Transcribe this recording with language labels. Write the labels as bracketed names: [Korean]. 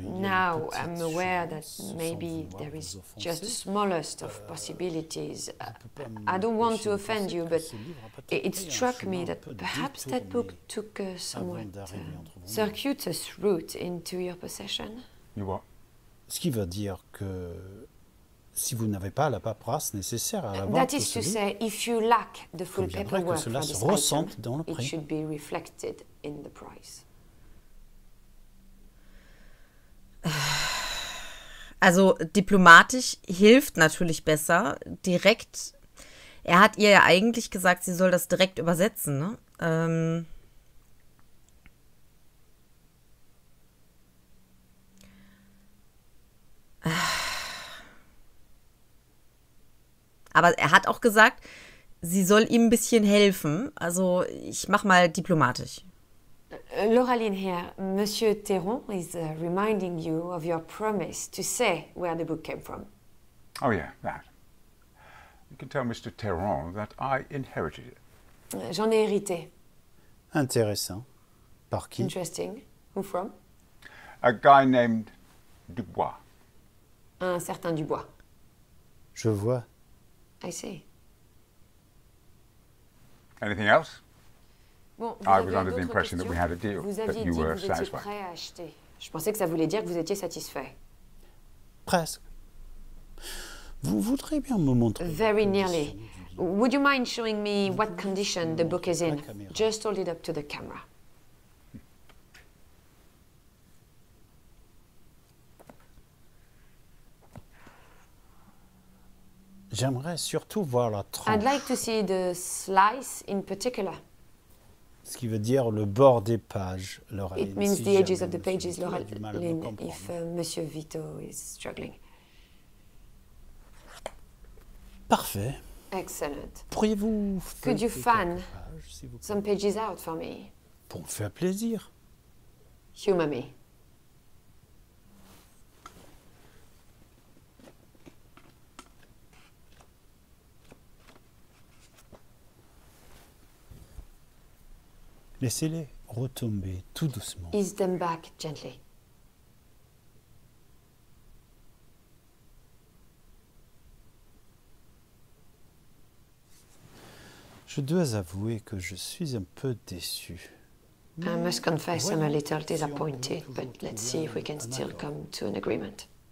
[English] now I'm aware that maybe there is just the smallest of possibilities. I don't want to offend you, but it struck me that perhaps that book took a somewhat circuitous route into your possession. You what? [French] Ce qui veut dire que si vous n'avez pas la paperasse nécessaire à la vente, [English] that is to say, if you lack the full paperwork for this item, [French] dans le [English] it should be reflected in the price. [German] Also diplomatisch hilft natürlich besser. Direkt, er hat ihr ja eigentlich gesagt, sie soll das direkt übersetzen, ne? Aber er hat auch gesagt, sie soll ihm ein bisschen helfen. Also ich mach mal diplomatisch. [English] Loralyn here, Monsieur Theron is reminding you of your promise to say where the book came from. Oh yeah, that. You can tell Mr. Theron that I inherited it. [French] J'en ai hérité. Intéressant. Par qui? [English] Interesting. Who from? A guy named Dubois. [French] Un certain Dubois. Je vois. [English] I see. Anything else? [French] Bon, [English] I was under the impression questions? That we had a deal, that you were satisfied. [French] Je pensais que ça voulait dire que vous étiez satisfait. Presque. Vous voudriez bien me montrer. [English] Very nearly. Would you mind showing me what condition the book is in? Just hold it up to the camera. [French] J'aimerais surtout voir la tranche. [English] I'd like to see the slice in particular. [French] Ce qui veut dire le bord des pages, Loralyn. [English] It means the edges of the pages, Loralyn, if Monsieur Vito is struggling. [French] Parfait. [English] Excellent. [French] Pourriez-vous [English] could you fan some pages out for me? [French] Pour me faire plaisir. [English] Humor me. [French] Laissez-les retomber tout doucement. [English] Ease them back gently. [French] Je dois avouer que je suis un peu déçu. [English] I must confess I'm a little disappointed, but let's see if we can still come to an agreement.